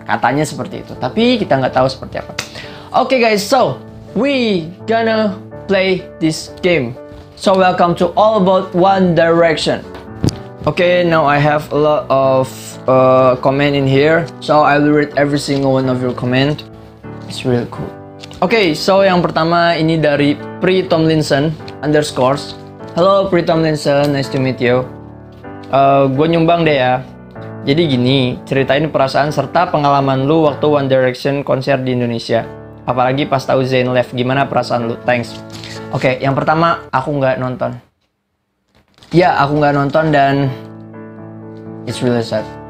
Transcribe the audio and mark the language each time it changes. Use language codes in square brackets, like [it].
[id] Katanya seperti itu, tapi kita gak tahu seperti apa. [en] Okay guys, so we gonna play this game. So welcome to All About One Direction. Okay, now I have a lot of comment in here, so I will read every single one of your comment. It's really cool. [id] Okay, so yang pertama ini dari Pri Tomlinson _. [en] Hello Pri Tomlinson, nice to meet you. [id] Gue nyumbang deh ya. Jadi gini, ceritain perasaan serta pengalaman lu waktu One Direction konser di Indonesia. Apalagi pas tahu Zayn left, gimana perasaan lu? Thanks. Okay, yang pertama aku nggak nonton. Ya, aku nggak nonton dan [en] it's really sad.